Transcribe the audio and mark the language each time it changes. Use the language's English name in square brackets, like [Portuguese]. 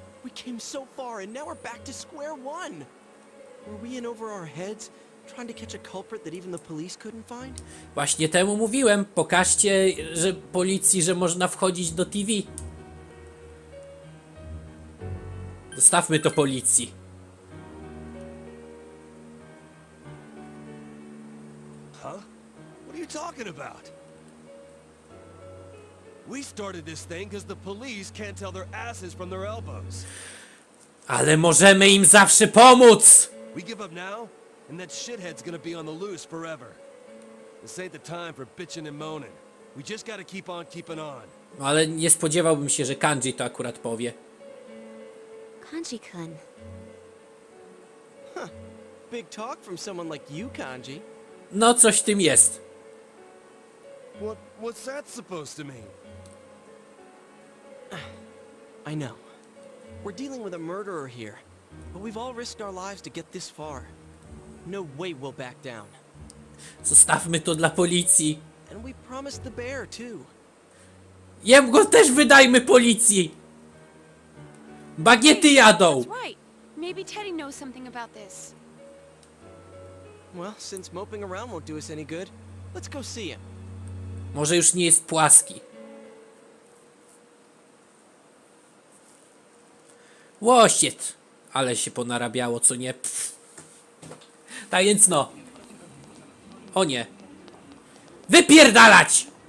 [English] We came so far and now we're back to square one. Were we in over our heads trying to catch a culprit that even the police couldn't find? [Polish] Właśnie temu mówiłem. Pokażcie, że policji, że można wchodzić do TV. Zostawmy to policji. [English] Huh? What are you talking about? We started this thing because the police can't tell their asses from their elbows. [Polish] Ale możemy im zawsze pomóc. [English] We give up now, and that shithead's gonna be on the loose forever. This ain't the time for bitching and moaning. We just gotta keep on keeping on. [Polish] No, ale nie spodziewałbym się, że Kanji to akurat powie. [English] Kanji-kun. Huh. Big talk from someone like you, Kanji. [Polish] No, coś w tym jest. [English] What's that supposed to mean? I know. We're dealing with a murderer here. But we've all risked our lives to get this far. No way we'll back down. [Polish] Zostawmy to dla policji. [English] And we promised the bear too. [Polish] Jem go też wydajmy policji. Bagiety jadą. [English] That's right. Maybe Teddy knows something about this. Well, since moping around won't do us any good, let's go see him. [Polish] Może już nie jest płaski. Łosiec. Ale się ponarabiało, co nie? Pff. Tak więc no. O nie. Wypierdalać!